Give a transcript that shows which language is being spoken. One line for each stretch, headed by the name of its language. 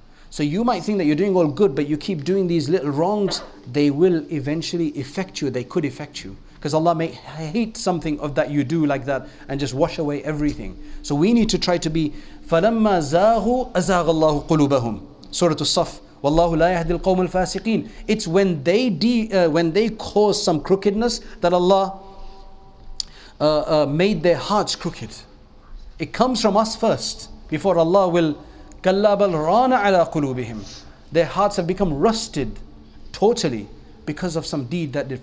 English: So you might think that you're doing all good, but you keep doing these little wrongs, they will eventually affect you, they could affect you. Because Allah may hate something of that you do like that, and just wash away everything. So we need to try to be,
Arabic: فَلَمَّا زَاغُوا أَزَاغَ اللَّهُ قُلُوبَهُمْ. Surah As-Saff, وَاللَّهُ لَا يَهْدِي الْقَوْمُ الْفَاسِقِينَ.
English: It's when they cause some crookedness that Allah made their hearts crooked. It comes from us first, before Allah will
Arabic: كَلَّا بَلْ رَانَ عَلَىٰ قُلُوبِهِمْ.
English: Their hearts have become rusted totally because of some deed that did.